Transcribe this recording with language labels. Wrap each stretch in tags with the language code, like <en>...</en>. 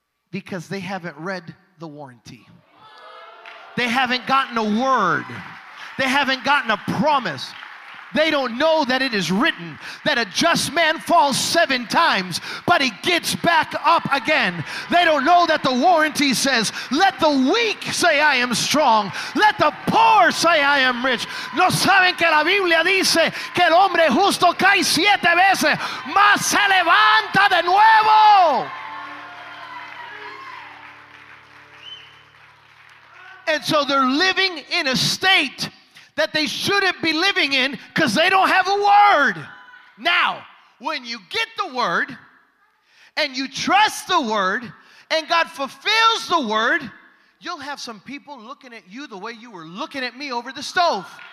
<en>Because they haven't read the warranty. They haven't gotten a word. They haven't gotten a promise. They don't know that it is written that a just man falls 7 times, but he gets back up again. They don't know that the warranty says, let the weak say I am strong. Let the poor say I am rich.</en> <es>No saben que la Biblia dice que el hombre justo cae 7 veces, mas se levanta de nuevo.</es> <en>And so they're living in a state that they shouldn't be living in because they don't have a word. Now, when you get the word and you trust the word and God fulfills the word, you'll have some people looking at you the way you were looking at me over the stove.</en>